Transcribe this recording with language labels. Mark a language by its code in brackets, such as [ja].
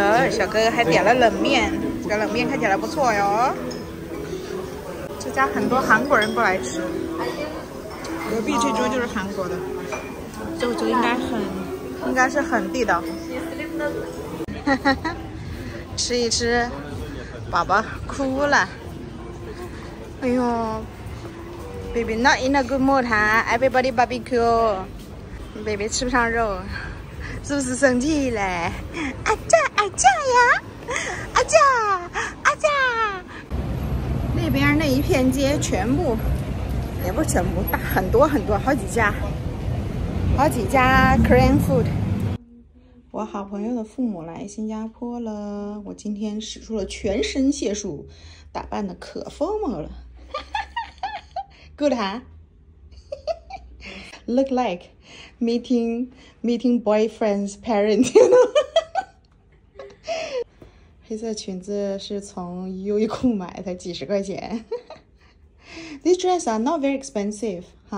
[zh] 小哥哥还点了冷面，这个冷面看起来不错哟。这家很多韩国人不来吃，隔壁这桌就是韩国的，这桌应该是很地道。吃一吃，宝宝哭了。哎呦 [en] ，baby not in a good mood [zh] 哈 [en] ，everybody barbecue。 [zh] baby 吃不上肉，是不是生气嘞？阿酱阿酱呀，阿酱阿酱。那边那一片街全部，也不全部，大很多很多，好几家，好几家 [en] Korean food。 [zh] 我好朋友的父母来新加坡了，我今天使出了全身解数，打扮的可 formal 了。 [en] Good 哈、huh? ，Look like。 Meeting boyfriend's parents， you know? [zh] 黑色裙子是从优衣库买的，几十块钱。 [en] This dress are not very expensive, huh?